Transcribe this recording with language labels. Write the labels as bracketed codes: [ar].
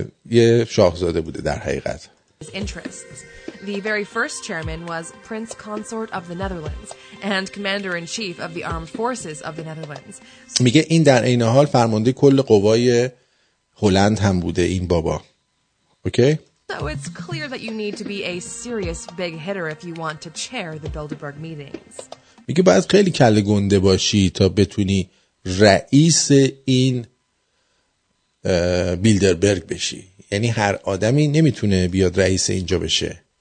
[fa] یه شاهزاده بوده در حقیقت. [en] His interests. The very first chairman was Prince Consort of the Netherlands and Commander-in-Chief of the Armed Forces of the Netherlands. [fa] میگه این در این حال فرمانده کل قوای هلند هم بوده این بابا. اوکی؟ [en] So it's clear that you need to be a serious big hitter if you want to chair the Bilderberg meetings. [fa] میگه باید خیلی کله گنده باشی تا بتونی رئیس این بیلدربرگ بشی. یعنی هر آدمی نمیتونه بیاد رئیس اینجا بشه.